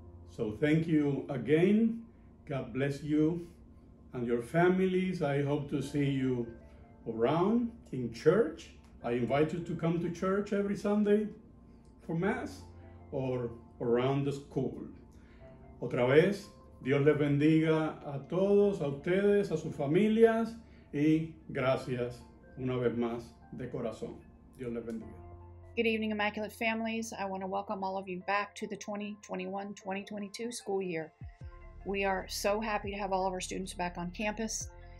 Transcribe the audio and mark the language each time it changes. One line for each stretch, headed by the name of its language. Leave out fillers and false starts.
English: So thank you again. God bless you and your families. I hope to see you around in church. I invite you to come to church every Sunday for Mass or around the school.
Spanish: Otra vez, Dios les bendiga a todos, a ustedes, a sus familias, y gracias una vez más de corazón. Dios les bendiga.
English: Good evening, Immaculate Families. I want to welcome all of you back to the 2021-2022 school year. We are so happy to have all of our students back on campus.